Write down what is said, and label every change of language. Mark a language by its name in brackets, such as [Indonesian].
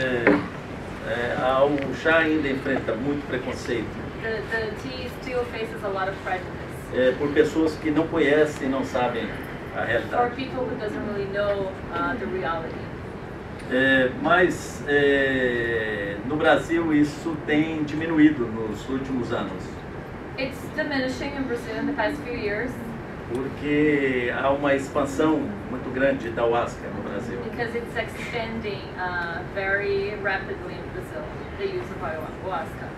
[Portuguese] O chá ainda enfrenta muito preconceito. [English] The tea still faces a lot of prejudice. [Portuguese] Por pessoas que não conhecem e não sabem a realidade. [English] For people who doesn't really know the reality. [Portuguese] Mas no Brasil isso tem diminuído nos últimos anos. [English] It's diminishing in Brazil in the past few years. [Portuguese] Porque há uma expansão muito grande da ayahuasca no Brasil. [English] Because it's expanding very rapidly in Brazil, the use of ayahuasca.